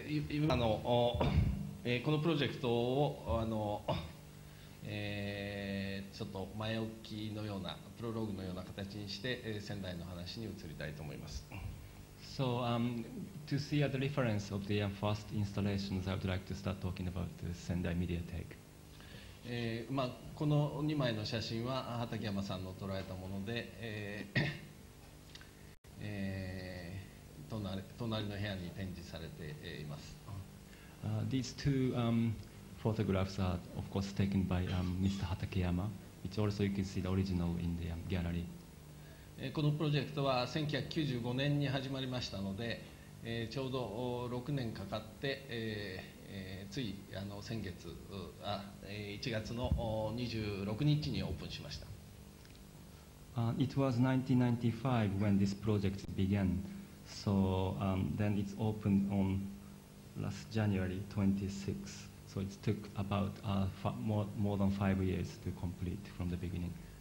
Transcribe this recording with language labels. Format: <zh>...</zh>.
<ja>今の、このプロジェクトをちょっと前置きのようなプロローグのような形にして、仙台の話に移りたいと思います。</ja> <en>So, to see the reference of the first installations, I would like to start talking about the Sendai MediaTek.</en> <ja>まあ、この2枚の写真は畠山さんの捉えたもので、隣の部屋に展示されています。</ja> <en>These two photographs are of course taken by Mr. 畠山, which also you can see the original in the gallery.</en> <ja>このプロジェクトは1995年に始まりましたので、ちょうど6年かかって、つい先月1月の26日にオープンしました。</ja> <en>It was 1995 when this project began. So, then it's opened on last January 26. So it took about more than 5 years to complete from the beginning.</en>